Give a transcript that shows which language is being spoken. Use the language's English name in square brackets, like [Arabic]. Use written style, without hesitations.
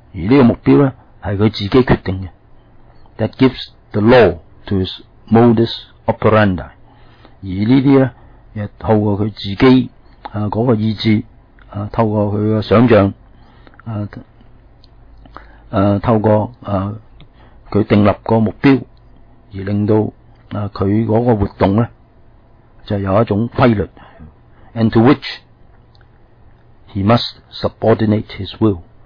[Cantonese] 而呢個目標咧，是他自己決定的。 [English] That gives the law to his modus operandi。 [Cantonese] 而這些呢透過他自己那個意志透過他的想像透過他定立的目標而令到他那個活動呢就有一種規律。 [English] And to which he must subordinate his will。